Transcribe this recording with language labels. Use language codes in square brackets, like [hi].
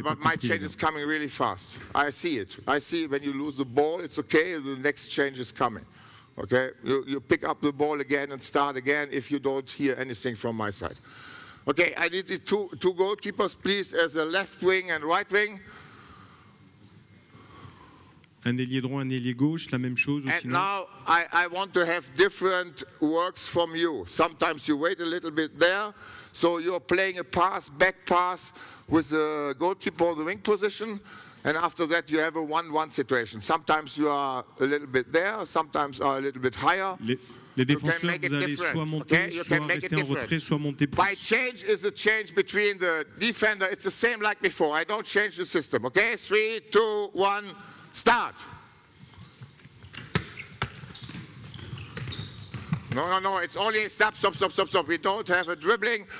[fr] pas compris. [en] My change is coming really fast. I see it. I see when you lose the ball, it's okay. The next change is coming. Okay? You pick up the ball again and start again if you don't hear anything from my side. Okay, I need the two goalkeepers, please, as a left wing and right wing. [fr] Un ailier droit, un ailier gauche, la même chose. [en] And now I want to have different works from you. Sometimes you wait a little bit there, so you're playing a pass, back pass, with the goalkeeper on the wing position, and after that you have a 1-1 situation. Sometimes you are a little bit there, sometimes are a little bit higher. [fr] Les défenseurs, vous allez soit monter, soit rester en retrait, soit monter plus. [en] By change is the change between the defender. It's the same like before. I don't change the system, okay? 3, 2, 1, start. No. It's only stop. We don't have a dribbling.